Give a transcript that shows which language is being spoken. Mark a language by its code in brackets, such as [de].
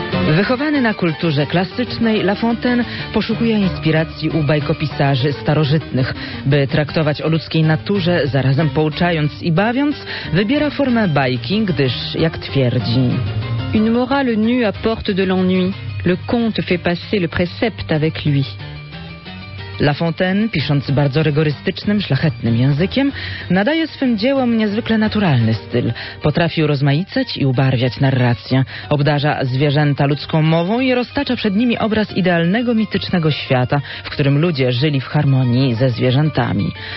[pl] Wychowany na kulturze klasycznej, La Fontaine poszukuje inspiracji u bajkopisarzy starożytnych. By traktować o ludzkiej naturze, zarazem pouczając i bawiąc, wybiera formę bajki, gdyż, jak twierdzi... [fr] Une morale nue apporte de l'ennui. Le conte fait passer le précepte avec lui. [pl] La Fontaine, pisząc bardzo rygorystycznym, szlachetnym językiem, nadaje swym dziełom niezwykle naturalny styl. Potrafi urozmaicać i ubarwiać narrację. Obdarza zwierzęta ludzką mową i roztacza przed nimi obraz idealnego, mitycznego świata, w którym ludzie żyli w harmonii ze zwierzętami.